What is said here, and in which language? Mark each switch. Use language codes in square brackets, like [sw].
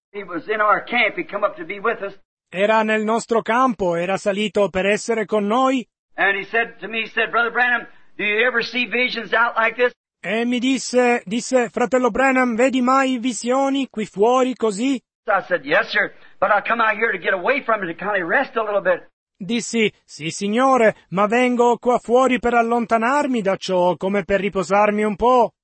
[en] He was in our camp, he come up to be with us. [it] Era nel nostro campo, era salito per essere con noi. [en] And he said to me, he said, Brother Branham, do you ever see visions out like this? [it] E mi disse, fratello Branham, vedi mai visioni qui fuori così? [en] I said, yes, sir, but I come out here to get away from it, to kind of rest a little bit. [it] Dissi, sì, signore, ma vengo qua fuori per allontanarmi da ciò, come per riposarmi un po'.